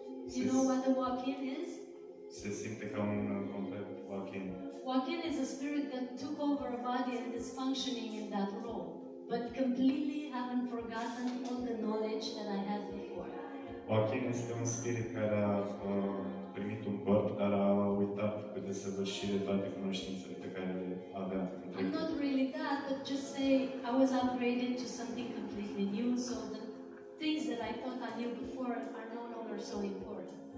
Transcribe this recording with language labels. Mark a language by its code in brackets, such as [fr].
[en] Do you know what a walk-in is? [ro] Se simte ca un complet walk-in. [en] Walk-in is a spirit that took over a body and is functioning in that role, but completely haven't forgotten all the knowledge that I had before. [ro] Walk-in este un spirit care a primit un corp, dar a uitat cu desăvârșire toate cunoștințele pe care le avea. [en] I'm not really that, but just say I was upgraded to something completely new, so the things that I thought I knew before are no longer so important.